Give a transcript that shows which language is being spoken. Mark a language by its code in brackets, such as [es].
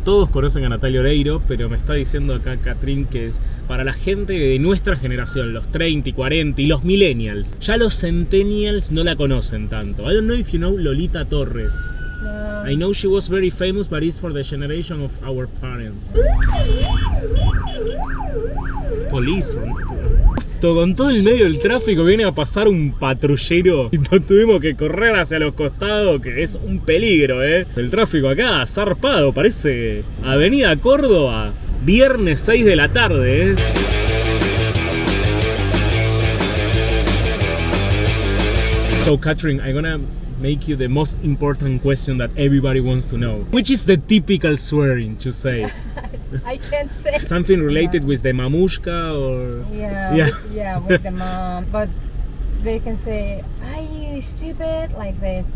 [es] Todos conocen a Natalia Oreiro, pero me está diciendo acá Catrín que es para la gente de nuestra generación, los 30 y 40 y los millennials. Ya los centennials no la conocen tanto. [en] I don't know if you know Lolita Torres. No. I know she was very famous, but it's for the generation of our parents. Police. [es] Con todo el medio del tráfico viene a pasar un patrullero y nos tuvimos que correr hacia los costados, que es un peligro, ¿eh? El tráfico acá, zarpado, parece Avenida Córdoba, viernes 6 de la tarde, ¿eh? [en] So, Catherine, I'm gonna make you the most important question that everybody wants to know. Which is the typical swearing to say? I can't say. Something related with the mamushka or... Yeah, with the mom. But they can say, are you stupid? Like this.